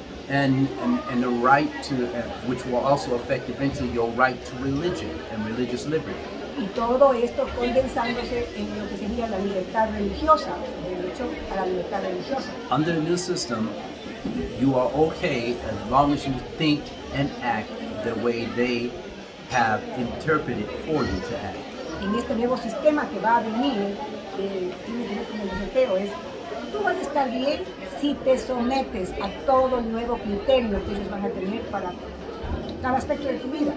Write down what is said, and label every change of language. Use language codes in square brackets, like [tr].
[en] And the right to, which will also affect eventually your right to religion and religious liberty. [es] Y todo esto condensándose en lo que sería la libertad religiosa, el derecho a la libertad religiosa. [en] Under the new system, you are okay as long as you think and act the way they have interpreted for you to act. [es] En este nuevo sistema que va a venir, tiene que ver con el deseo, es tú vas a estar bien si te sometes a todo el nuevo criterio que ellos van a tener para cada aspecto de tu vida.